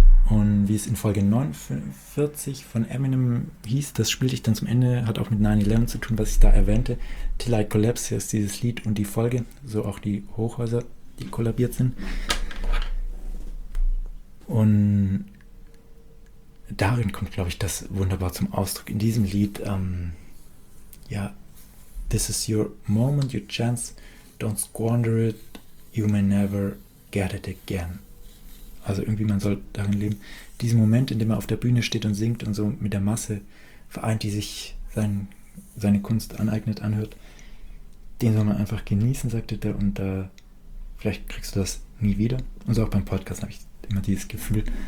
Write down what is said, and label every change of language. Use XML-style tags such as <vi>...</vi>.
<de>Und wie es in Folge 49 von Eminem hieß, das spielte ich dann zum Ende, hat auch mit 9-11 zu tun, was ich da erwähnte. Till I Collapse, hier ist dieses Lied und die Folge, so auch die Hochhäuser, die kollabiert sind. Und darin kommt, glaube ich, das wunderbar zum Ausdruck. In diesem Lied,</de> <en>this is your moment, your chance, don't squander it, you may never get it again.</en> <de>Also irgendwie, man soll darin leben. Diesen Moment, in dem er auf der Bühne steht und singt und so mit der Masse vereint, die sich seine Kunst aneignet, anhört, den soll man einfach genießen, sagte der, und vielleicht kriegst du das nie wieder. Und so auch beim Podcast habe ich immer dieses Gefühl.</de>